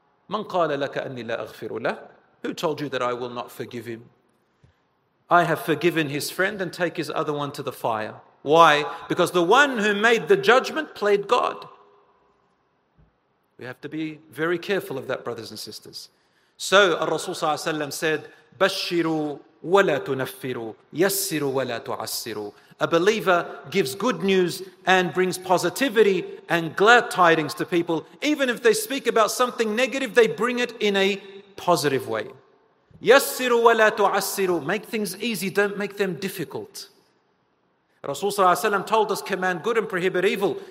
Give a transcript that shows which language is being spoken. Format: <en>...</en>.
<ar>مَنْ قَالَ لَكَ أَنِّي لَا أَغْفِرُ لَهُ.</ar> <en>Who told you that I will not forgive him? I have forgiven his friend and take his other one to the fire. Why? Because the one who made the judgment played God. We have to be very careful of that, brothers and sisters. So, Rasul ﷺ said,</en> <ar>بَشِّرُوا وَلَا تُنَفِّرُوا يَسِّرُوا وَلَا تُعَسِّرُوا.</ar> <en>A believer gives good news and brings positivity and glad tidings to people. Even if they speak about something negative, they bring it in a positive way.</en> <ar>يَسِّرُوا وَلَا تُعَسِّرُوا.</ar> <en>Make things easy, don't make them difficult. Rasul ﷺ told us, command good and prohibit evil.</en>